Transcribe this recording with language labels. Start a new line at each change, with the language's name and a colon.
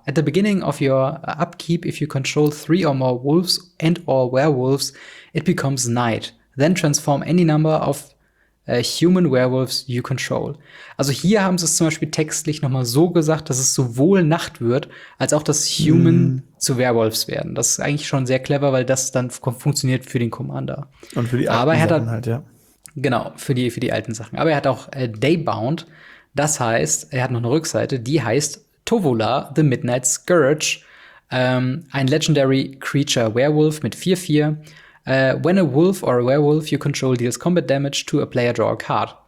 English: At the beginning of your upkeep, if you control 3 or more wolves and or werewolves, it becomes night. Then transform any number of human werewolves you control.
German: Also hier haben sie es zum Beispiel textlich noch mal so gesagt, dass es sowohl Nacht wird, als auch dass Human zu Werewolves werden. Das ist eigentlich schon sehr clever, weil das dann funktioniert für den Commander. Und für die alten Sachen halt, Genau, für die alten Sachen. Aber er hat auch Daybound. Das heißt, er hat noch eine Rückseite, die heißt Tovolar, the Midnight Scourge. Ein Legendary Creature Werewolf mit 4/4.
English: When a wolf or a werewolf you control deals combat damage to a player, draw a card.